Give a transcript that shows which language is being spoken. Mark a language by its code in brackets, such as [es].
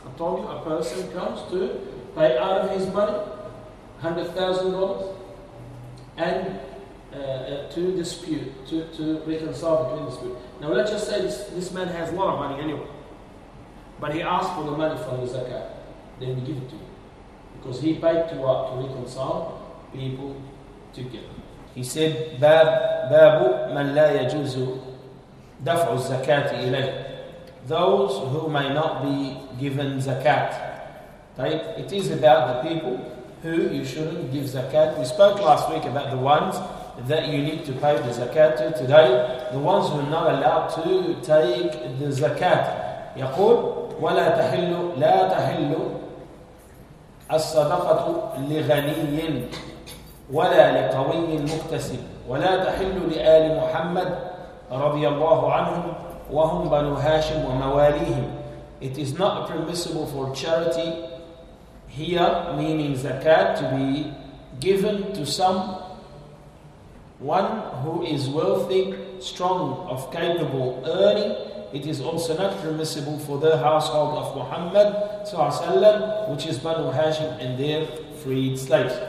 [en] I told you a person comes to pay out of his money, $100,000, and to reconcile between disputes. Now let's just say this man has a lot of money anyway, but he asked for the money from the zakat. Then we give it to him because he paid to reconcile people together. He said, [ar] باب من لا يجوز دفع الزكاة إليه. [en] Those who may not be given zakat. Right? It is about the people who you shouldn't give zakat. We spoke last week about the ones that you need to pay the zakat to. Today, the ones who are not allowed to take the zakat. [ar] يقول, ولا تحل لا تحل الصدقة لغني ولا لقوي مكتسب ولا تحل لآل محمد رضي الله عنهم وهم بنو هاشم ومواليهم. [en] It is not permissible for charity here, meaning zakat, to be given to someone who is wealthy, strong, of capable earning. It is also not permissible for the household of Muhammad صلى الله عليه وسلم, which is Banu Hashim and their freed slaves.